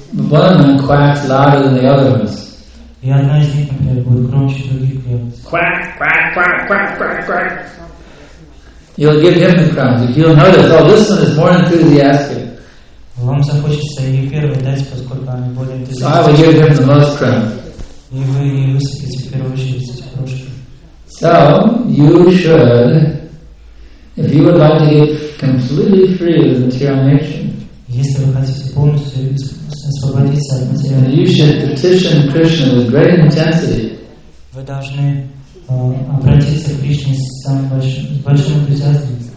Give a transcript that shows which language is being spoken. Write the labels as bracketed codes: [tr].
[en] But one of them quacks louder than the other ones. Quack, quack, quack, quack, quack, quack. You'll give him the crumbs. You'll notice, oh, this one is more enthusiastic. [ru] Вам захочется ее первой дать, поскольку она более энтузиастичная. И вы высыпите в первую очередь эти крошки. [en] So, you should, if you would like to get completely free of material nature, [ru] если вы хотите полностью освободиться от материала, [en] then you should petition Krishna with great intensity. [ru] Вы должны обратиться к Кришне с самым большим энтузиазмом.